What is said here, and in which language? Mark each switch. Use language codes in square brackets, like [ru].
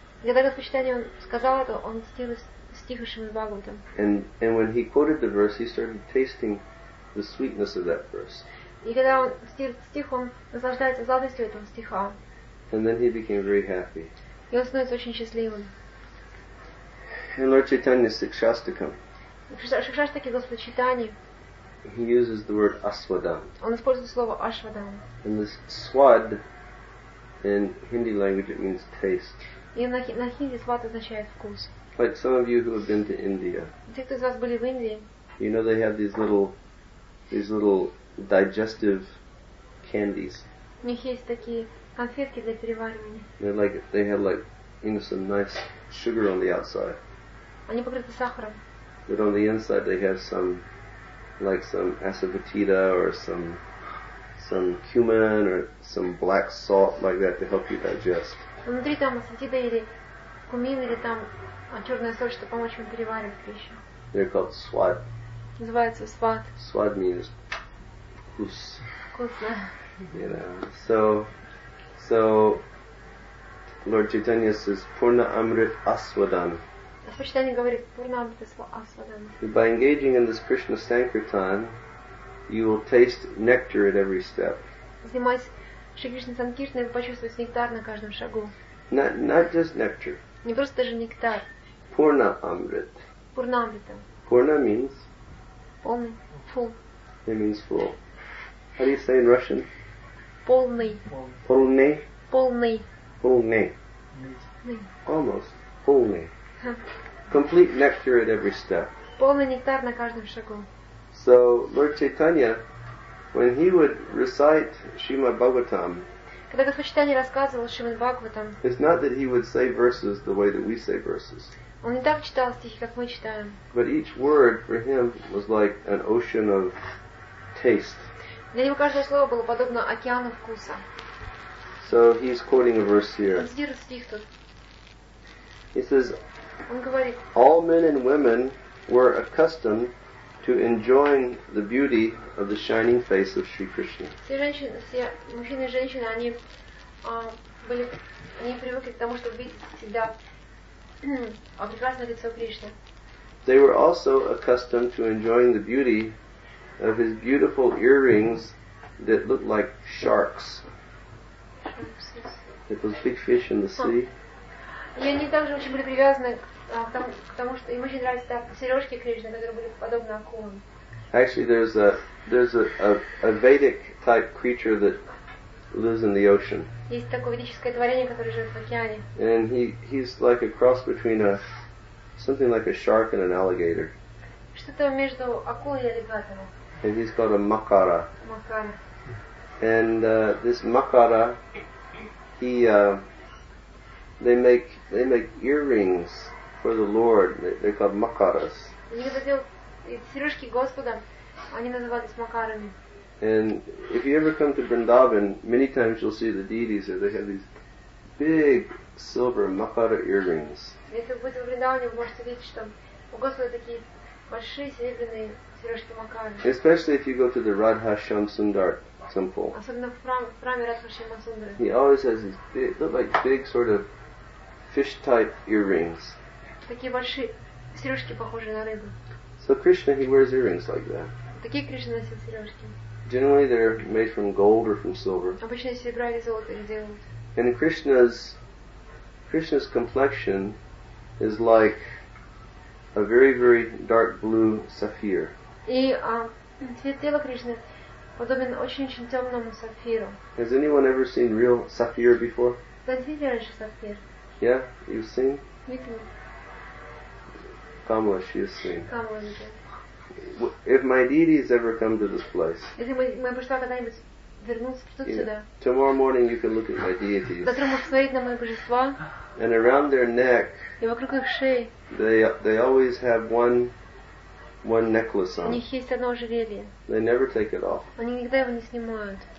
[ru] Когда Господь Чайтанья сказал это, он цитировал стих из Шримад Бхагаватам. [en] And when he quoted the verse, he started tasting the sweetness of that verse. [ru] И когда он цитировал стих, он наслаждается сладостью этого стиха. [en] And then he became very happy. [ru] И он становится очень счастливым. [en] In Lord Chaitanya's Sikshastakam. [ru] Шикшастаки Господа Чайтаньи. [en] He uses the word asvadam. [ru] Он использует слово ашвадам. [en] And this swad, in Hindi language, it means taste. [ru] И на хинди свад означает вкус. [en] Like some of you who have been to India. [ru] Те, кто из вас были в Индии. [en] You know they have these little digestive candies. [ru] У них есть такие конфетки для переваривания. [en] They have some nice sugar on the outside. [ru] Они покрыты сахаром. [en] But on the inside they have some asafoetida or some cumin or some black salt like that to help you digest. [ru] Внутри там асафетида или кумин или там черная соль, чтобы помочь вам переваривать пищу. [en] They're called swad. [ru] Называется свад. [en] Swad means вкус. [ru] Вкус, да. [en] You know. So Lord Chaitanya says Purna Amrit Aswadan. [ru] Господь Чайтанья говорит Пурна Амрит Асвадан. [en] By engaging in this Krishna Sankirtan, you will taste nectar at every step. [ru] Занимаясь Шри Кришна Санкиртаной, вы почувствуете нектар на каждом шагу. [en] Not just nectar. [ru] Не просто даже нектар. Пурна Амрит. Пурна Амрита. [en] Пурна means? [ru] Полный. Full. [en] It means full. How do you say in Russian? [ru] Полный. Полный. Полный. Полный. Almost. Полный. [en] Complete nectar at every step. [ru] Полный нектар на каждом шагу. [en] So Lord Chaitanya, when he would recite Srimad Bhagavatam, [ru] когда Господь Чайтанья рассказывал Шримад Бхагаватам, [en] it's not that he would say verses the way that we say verses. [ru] Он не так читал стихи, как мы читаем. [en] But each word for him was like an ocean of taste. [ru] Для него каждое слово было подобно океану вкуса. [en] So he's quoting a verse here. [ru] Он цитирует стих тут. [en] He says, [ru] говорит, [en] all men and women were accustomed to enjoin the beauty of the shining face of Sri Krishna. [ru] Все женщины, мужчины и женщины, они были, они привыкли к тому, чтобы видеть всегда прекрасное лицо Кришны. [en] They were also accustomed to enjoying the beauty of his beautiful earrings that looked like sharks. It was big fish in the sea. [ru] И они также очень были привязаны к тому, что им очень нравились сережки Кришны, которые были подобны акулам. [en] Actually, there's a Vedic type creature that lives in the ocean. [ru] Есть такое ведическое творение, которое живет в океане. [en] And he's like a cross between a something like a shark and an alligator. [ru] Что-то между акулой и аллигатором. [en] And he's called a Makara. Makara. And this Makara, they make earrings for the Lord. They're called Makaras. [ru] Они делают сережки Господа. Они называются Макарами. [en] And if you ever come to Vrindavan, many times you'll see the deities there. They have these big silver Makara earrings. [ru] Если вы будете в Вриндаване, вы можете видеть, что у Господа такие большие серебряные сережки Макара. [en] Especially if you go to the Radha Shyam Sundar temple. [ru] Особенно в храме Радха Шьяма Сундара. [en] He always has these big, look like big sort of fish-type earrings. [ru] Такие большие сережки, похожие на рыбу. [en] So Krishna, he wears earrings like that. [ru] Такие Кришна носил сережки. [en] Generally, they're made from gold or from silver. [ru] Обычно серебра или золото их делают. [en] And Krishna's complexion is like a very, very dark blue sapphire. [ru] И цвет тела Кришны подобен очень-очень темному сапфиру. [en] Has anyone ever seen real sapphire before? [ru] Да, видели раньше сапфир. [en] Yeah, you've seen? [ru] Видели. [en] Камла, she has seen. [ru] Камла, видели. [en] If my deity has ever come to this place, [ru] если моя божества когда-нибудь вернулась тут сюда, [en] tomorrow morning you can look at my deities. [ru] Завтра можешь посмотреть на мои божества. [en] And around their neck, [ru] и вокруг их шеи, [en] they always have one necklace on. [ru] У них есть одно ожерелье. [en] They never take it off. [ru] Они никогда его не снимают.